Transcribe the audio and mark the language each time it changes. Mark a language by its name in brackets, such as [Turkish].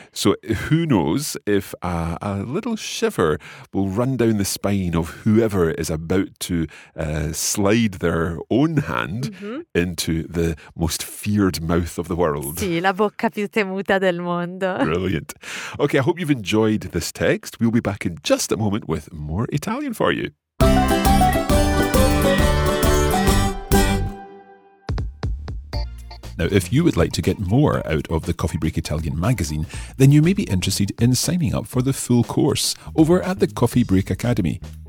[English] So who knows if a little shiver will run down the spine of whoever is about to slide their own hand mm-hmm. into the most feared mouth of the world. [Italian] Sì, la bocca più temuta del mondo. [English] Brilliant. Okay, I hope you've enjoyed this text. We'll be back in just a moment with more Italian for you. Now, if you would like to get more out of the Coffee Break Italian magazine, then you may be interested in signing up for the full course over at the Coffee Break Academy.